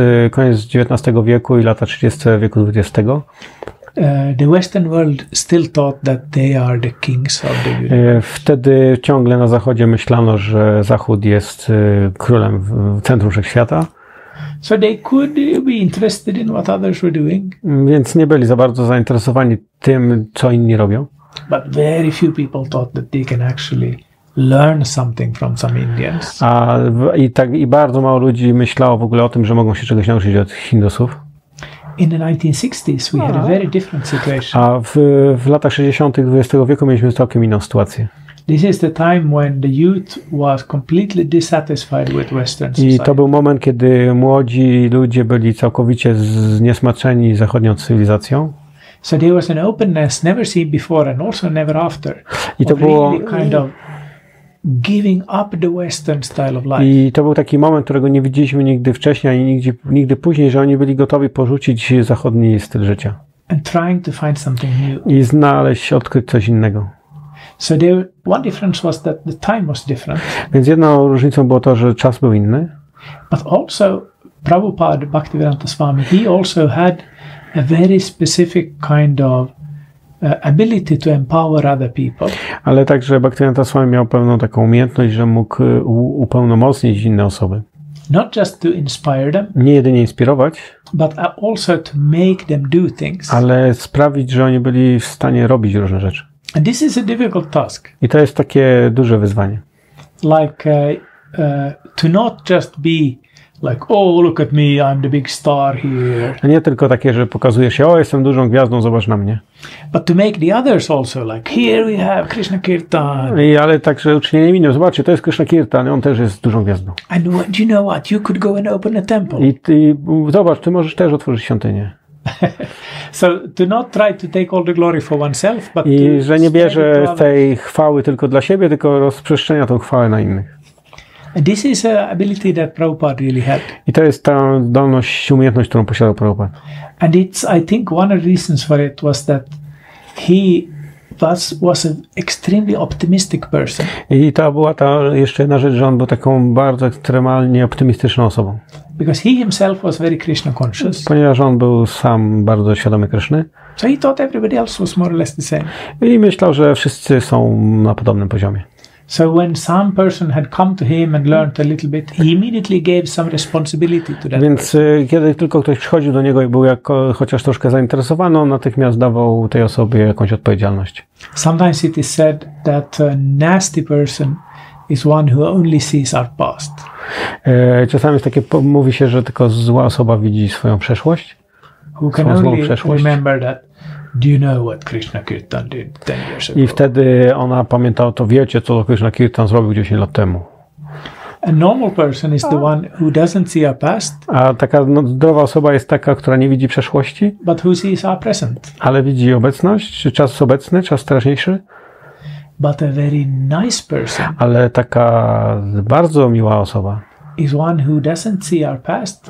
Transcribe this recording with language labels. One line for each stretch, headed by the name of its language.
Polish: Koniec XIX wieku i lata 30 wieku XX.
English: The Western world still thought that they are the kings of the universe.
Polish: Wtedy ciągle na Zachodzie myślano, że Zachód jest królem, centrum wszechświata.
English: So they could be interested in what others were doing.
Polish: Więc nie byli za bardzo zainteresowani tym, co inni robią.
English: But very few people thought that they can actually learn something from some Indians.
Polish: I bardzo mało ludzi myślało w ogóle o tym, że mogą się czegoś nauczyć od Hindusów.
English: In the 1960s we had a very different situation.
Polish: A w latach 60. XX wieku mieliśmy całkiem inną sytuację.
English: This is the time when the youth was completely dissatisfied with Western society.
Polish: I to był moment, kiedy młodzi ludzie byli całkowicie zniesmaczeni zachodnią cywilizacją.
English: So there was an openness never seen before and also never after.
Polish: I to było
English: really kind of giving up the Western style of life.
Polish: I to był taki moment, którego nie widzieliśmy nigdy wcześniej ani nigdy później, że oni byli gotowi porzucić zachodni styl życia.
English: And trying to find something new.
Polish: I znaleźć, odkryć coś innego.
English: So one difference was that the time was different.
Polish: Więc jedną różnicą było to, że czas był inny.
English: But also Prabhupada Bhaktivedanta Swami, he also had a very specific kind of ability to empower other people.
Polish: Ale także Bhaktivedanta Swami miał pewną taką umiejętność, że mógł upełnomocnić inne osoby.
English: Not just to inspire them.
Polish: Nie jedynie inspirować,
English: but also to make them do things.
Polish: Ale sprawić, że oni byli w stanie robić różne rzeczy.
English: And this is a difficult task.
Polish: I to jest takie duże wyzwanie.
English: Like to not just be like, oh, look at me, I'm the big star here.
Polish: A nie tylko takie, że pokazuje się, o, jestem dużą gwiazdą, zobacz na mnie.
English: But to make the others also like, here we have Krishna Kirtan.
Polish: I ale także uczynienie minimum, zobaczcie, to jest Krishna Kirtan, on też jest dużą gwiazdą.
English: And what, you know what, you could go and open a temple.
Polish: I zobacz, ty możesz też otworzyć świątynię.
English: So do not try to take all the glory for oneself, but
Polish: i że nie bierze tej chwały tylko dla siebie, tylko rozprzestrzenia tą chwałę na innych.
English: And this is a ability that Prabhupada really had.
Polish: I to jest ta zdolność, umiejętność, którą posiadał Prabhupada.
English: And it's, I think, one of the reasons for it was that he was an extremely optimistic person.
Polish: I to była ta jeszcze jedna rzecz, że on był taką bardzo ekstremalnie optymistyczną osobą.
English: Because he himself was very Krishna conscious.
Polish: Ponieważ on był sam bardzo świadomy Kryszny.
English: So he thought everybody else was more or less the same.
Polish: I myślał, że wszyscy są na podobnym poziomie.
English: So when some person had come to him and learned a little bit, he immediately gave some responsibility to that.
Polish: Więc kiedy tylko ktoś przychodził do niego i był chociaż troszkę zainteresowany, on natychmiast dawał tej osobie jakąś odpowiedzialność.
English: Sometimes it is said that a nasty person is one who only sees our past.
Polish: Czasami jest takie, mówi się, że tylko zła osoba widzi swoją przeszłość.
English: Who can only remember that? Do you know what Krishna Kirtan did 10 years ago?
Polish: I wtedy ona pamiętała to, wiecie, co Krishna Kirtan zrobił 10 lat temu.
English: A normal person is the one who doesn't see our past.
Polish: A taka zdrowa osoba jest taka, która nie widzi przeszłości.
English: But who sees our present?
Polish: Ale widzi obecność, czy czas obecny, czas teraźniejszy.
English: But a very nice person.
Polish: Ale taka bardzo miła osoba.
English: Is one who doesn't see our past,